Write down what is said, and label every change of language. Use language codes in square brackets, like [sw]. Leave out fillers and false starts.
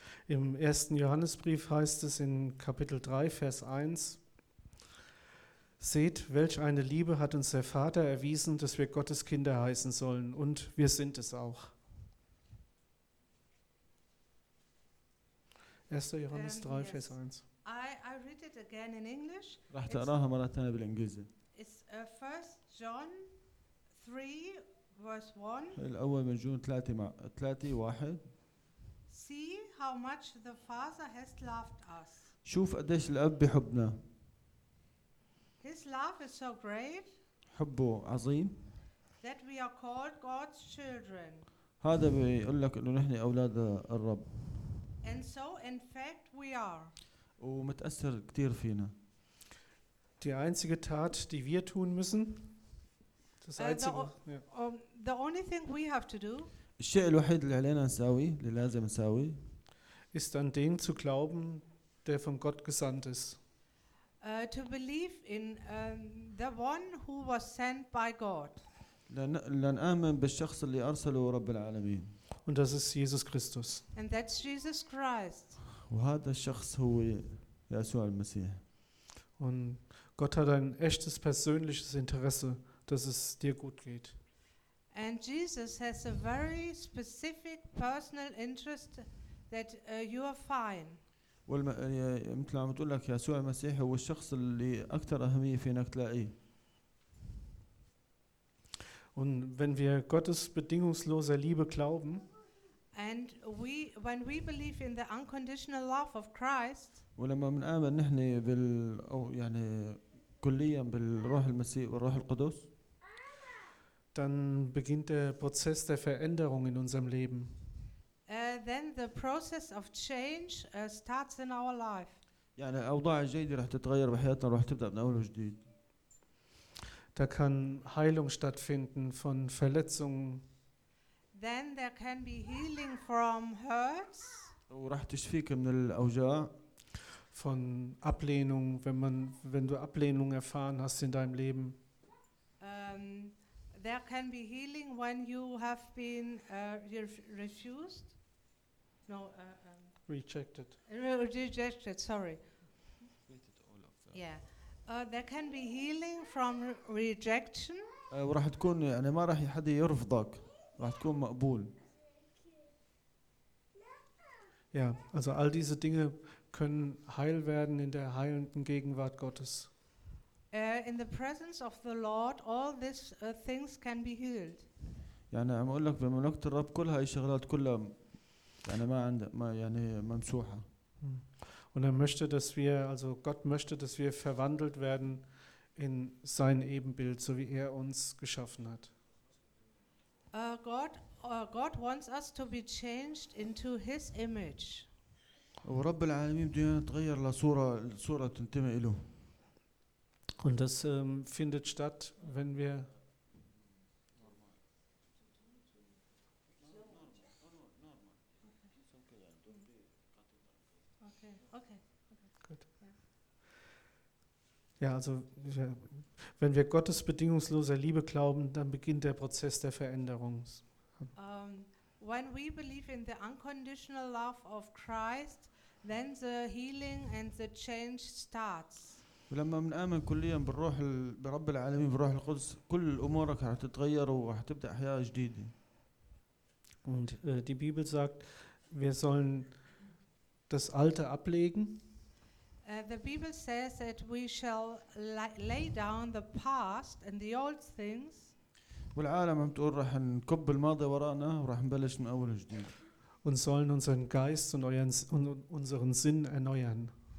[de] Im ersten Johannesbrief heißt es in Kapitel 3, Vers 1: Seht, welch eine Liebe hat uns der Vater erwiesen, dass wir Gottes Kinder heißen sollen, und wir sind es auch. 1. Johannes 3, Vers 1. [en] I read it again in English. [ar] راح تقراها مرة ثانية بالإنجليزي. [en] It's 1 John 3, verse 1. [ar] الأول من جون 3:1. [en] See how much the Father has loved us. [ar] شوف قديش الأب بحبنا. [en] His love is so great. [ar] حبه عظيم. [en] That we are called God's children. [ar] هذا بيقول لك إنه نحن أولاد الرب. [en] And so in fact we are. [ar] ومتأثر كتير فينا. [de] Die einzige Tat, die wir tun müssen, das einzige, [en] the only thing we have to do, [ar] الشيء الوحيد اللي علينا نسوي, اللي لازم نسوي, [de] ist an den zu glauben, der von Gott gesandt ist. [en] To believe in the one who was sent by God. [ar] لنؤمن بالشخص اللي أرسله رب العالمين. [de] Und das ist Jesus Christus. [en] And that's Jesus Christ. [ar] وهذا الشخص هو يسوع المسيح. [de] Und Gott hat ein echtes persönliches Interesse, dass es dir gut geht. [en] And Jesus has a very specific personal interest that you are fine. [ar] والم مثل عم تقول لك يسوع المسيح هو الشخص اللي أكثر أهمية في إنك تلاقيه. [de] Und wenn wir Gottes bedingungslose Liebe glauben, [en] and we, when we believe in the unconditional love of Christ, [ar] ولما بنؤمن نحن بال أو يعني كليا بالروح المسيح والروح القدس. [de] Dann beginnt der Prozess der Veränderung in unserem Leben. [en] Then the process of change starts in our life. [ar] يعني الأوضاع الجيدة راح تتغير بحياتنا راح تبدأ من أول وجديد. [de] Da kann Heilung stattfinden von Verletzungen. [en] Then there can be healing from hurts. [ar] وراح تشفيك من الأوجاع. [de] Von Ablehnung, wenn du Ablehnung erfahren hast in deinem Leben. [en] There can be healing when you have been refused. No, rejected. Rejected, sorry. All of that. Yeah. There can be healing from rejection. [ar] وراح تكون يعني ما راح حد يرفضك، راح تكون مقبول. [de] Yeah, also all diese Dinge können heil werden in der heilenden Gegenwart Gottes. [en] In the presence of the Lord, all these things can be healed. [ar] يعني عم أقول لك بملكة الرب كل هاي الشغلات كلها يعني ما عند ما يعني ممسوحة. [de] Und möchte, dass wir, also Gott möchte, dass wir verwandelt werden in sein Ebenbild, so wie uns geschaffen hat. [en] God wants us to be changed into His image. [ar] ورب العالمين بده يتغير لصورة تنتمي له. [de] Und das findet statt, wenn wir ja, also wenn wir Gottes bedingungsloser Liebe glauben, dann beginnt der Prozess der Veränderung. [en] When we believe in the unconditional love of Christ, then the healing and the change starts. [ar] ولما بنؤمن كليا بالروح برب العالمين بالروح القدس كل امورك راح تتغير وراح تبدا حياه جديده. [de] Und die Bibel sagt, wir sollen das Alte ablegen. [en] The Bible says that we shall lay down the past and the old things. [ar] والعالم عم تقول راح نكب الماضي ورانا وراح نبلش من اول وجديد. [de] Und sollen unseren Geist und unseren Sinn erneuern.